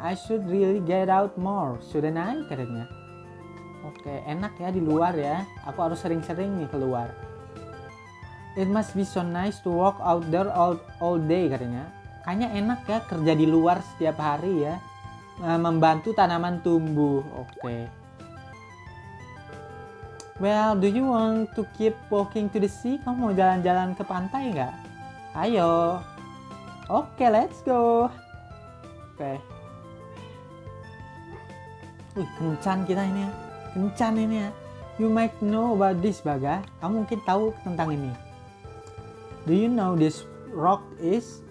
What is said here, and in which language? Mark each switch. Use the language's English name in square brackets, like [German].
[English] I should really get out more, shouldn't I, [Indonesian] katanya. Oke, enak ya di luar ya. Aku harus sering-sering nih keluar. [English] It must be so nice to walk out there all day, katanya. [Indonesian] Kayaknya enak ya kerja di luar setiap hari ya. Membantu tanaman tumbuh. Oke. [English] Well, do you want to keep walking to the sea? [Indonesian] Kamu mau jalan-jalan ke pantai nggak? Ayo. Oke, [English] let's go. [Indonesian] Oke. Kencan kita ini ya. Kencan ini ya. [English] You might know about this, [Indonesian] Baga. Kamu mungkin tahu tentang ini. [English] Do you know this rock is?